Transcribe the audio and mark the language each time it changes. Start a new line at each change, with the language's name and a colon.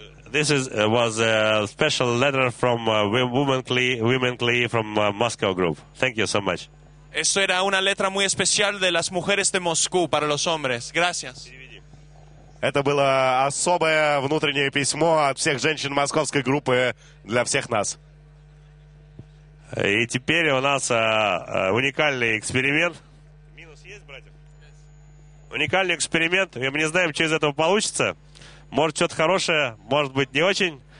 English: This was a special letter from Womenly from Moscow Group. Thank you so much.
Spanish: Esto era una letra muy especial de las mujeres de Moscú para los hombres. Gracias.
Russian: Это было особое внутреннее письмо от всех женщин московской группы для всех нас. И теперь у нас уникальный эксперимент. Уникальный эксперимент, и мы не знаем, что из этого получится. Может, что-то хорошее, может быть, не очень.